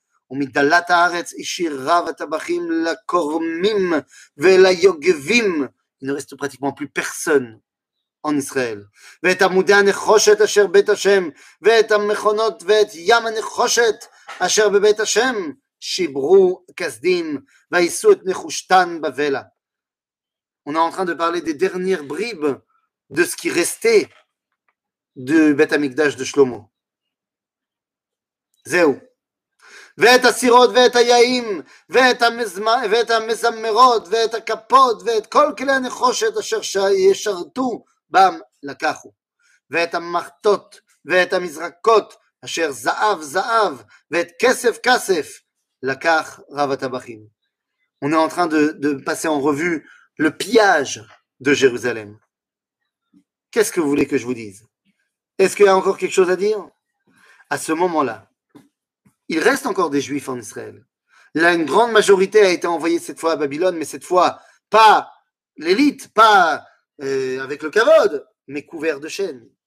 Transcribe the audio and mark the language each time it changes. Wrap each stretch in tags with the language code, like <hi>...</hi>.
<he>ומדלת הארץ השאיר רב הטבחים לקורמים וליוגבים.</he> <fr>Il ne reste pratiquement plus personne en Israël.</fr> <he>ואת עמודי הנחושת אשר בית השם, ואת המכונות ואת ים הנחושת אשר בבית השם, שיברו כסדים ועשו את נחושתן בבלה.</he> <fr>On est en train de parler des dernières bribes de ce qui restait du Beth Amikdash de Shlomo.</fr> <he>זהו. ואת הסירות ואת היעים ואת המזמרות ואת הכפות ואת כל כלי הנחושת אשר ישרתו בם לקחו. ואת המחתות ואת המזרקות אשר זהב זהב ואת כסף כסף לקח רב הטבחים.</he> <fr>On est en train de passer en revue le pillage de Jérusalem. Qu'est-ce que vous voulez que je vous dise? Est-ce qu'il y a encore quelque chose à dire? À ce moment-là, il reste encore des Juifs en Israël. Là, une grande majorité a été envoyée cette fois à Babylone, mais cette fois, pas l'élite, pas avec le kavod, mais couvert de chaînes.</fr>